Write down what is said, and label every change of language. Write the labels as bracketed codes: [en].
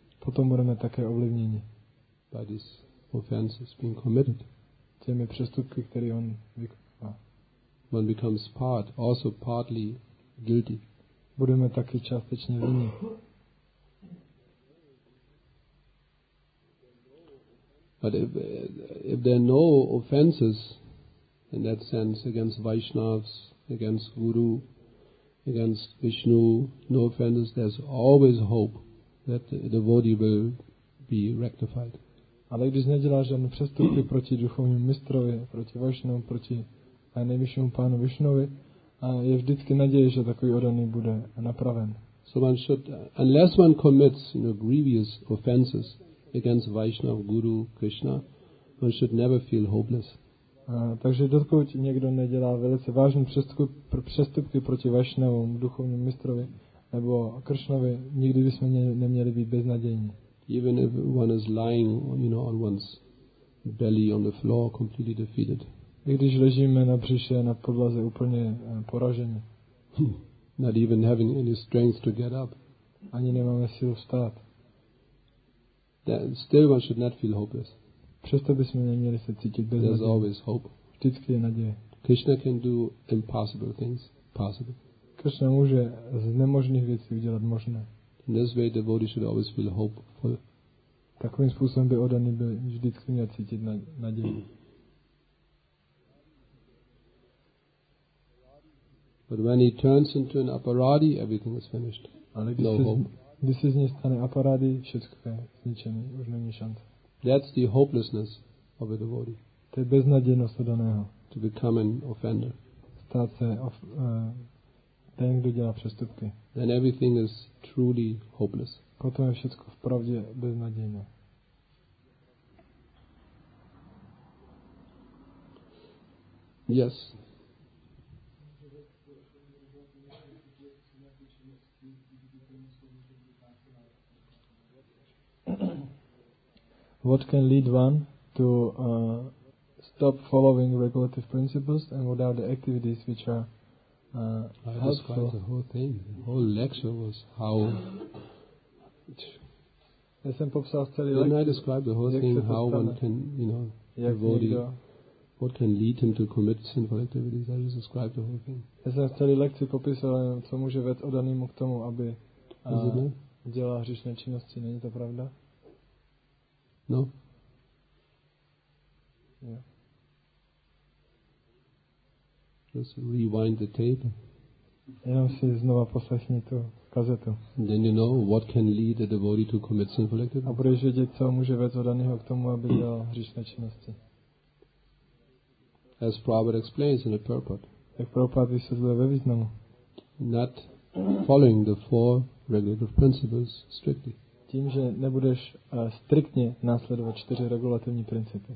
[cs] Potom budeme také ovlivněni. [en] By this offense is being committed. [cs] Těmi přestupky, které on vykonává. [en] One becomes part, also partly guilty. [cs] Budeme taky částečně vinni. [en] But if there are no offenses in that sense against Vaishnavas, against Guru, against Vishnu, no offenses, there's always hope that the devotee will be rectified. [cs] Ale když nedělá žádné přestupky proti duchovnímu mistrovi, proti Vaishnavu, proti nejvyššímu pánu Vishnovi, je vždycky naděje, že takový odaný bude napraven. [en] So one should, unless one commits grievous offenses against Vaishnav, Guru, Krishna, one should never feel hopeless. [cs] Takže dokud někdo nedělá velice vážné přestupky proti Vaishnavu, duchovnímu mistrovi, nebo Krishnovi, nikdy bychom neměli být beznadějní. [en] Even if one is lying, on one's belly on the floor, completely defeated. [cs] I když ležíme na břiše, na podlaze, úplně poraženi. [en] Not even having any strength to get up. [cs] Ani nemáme sílu vstát. [en] Then still one should not feel hopeless. [cs] Přesto bychom neměli se cítit bez naděje. [en] There's always hope. [cs] Vždycky je naděje. [en] Krishna can do impossible things possible. [cs] Krishna může z nemožných věcí udělat možné. [en] In this way, devotee should always feel hopeful. [cs] Takovým způsobem by odaný byl vždycky měl cítit naději. [en] But when he turns into an aparadi, everything is finished. No hope. [cs] Když se z něj stane aparadi, všechno je zničené, už není šance. [en] That's the hopelessness of a devotee. [cs] To je beznadějnost odaného. [en] To become an offender. [cs] Stát se ten, kdo dělá přestupky. [en] Then everything is truly hopeless. [cs] Potom je všechno v pravdě beznadějné. [en] Yes. What can lead one to stop following regulative principles and what are the activities which are I described the whole thing. The whole lecture was how. Then I described the whole thing, how one can, you know, devotee, what can lead him to commit sinful activities. I just described the whole thing. [cs] Já jsem v celé lekci popisoval, co může vést odanýmu k tomu, aby dělal hříšné činnosti. Není to pravda? [en] No. Yeah. Just rewind the tape. [cs] Jenom si znova poslechni tu kazetu. [en] Then you know what can lead a devotee to commit sinful activities. [cs] A budeš vědět, co může vést odanýho k tomu, aby dělal hříšné činnosti. [en] As Prabhupada explains in the purport. [cs] Jak Prabhupada vysvětlil ve významu. [en] Not following the four regulative principles strictly. [cs] Tím, že nebudeš striktně následovat čtyři regulativní principy.